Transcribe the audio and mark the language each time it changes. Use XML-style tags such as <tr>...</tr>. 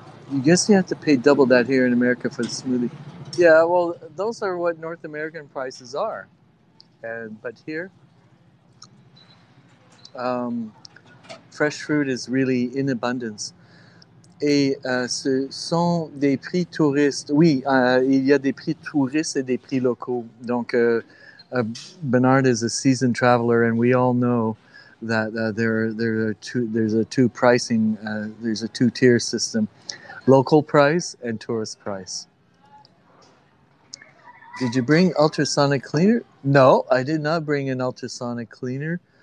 <en>You guess you have to pay double that here in America for the smoothie. Yeah, well, those are what North American prices are. But here, fresh fruit is really in abundance.</en> <fr>Et ce sont des prix touristes. Oui, il y a des prix touristes et des prix locaux.</fr> <en>Donc, Bernard is a seasoned traveler, and we all know that there's a two-tier system. Local price and tourist price. Did you bring ultrasonic cleaner? No, I did not bring an ultrasonic cleaner.</en>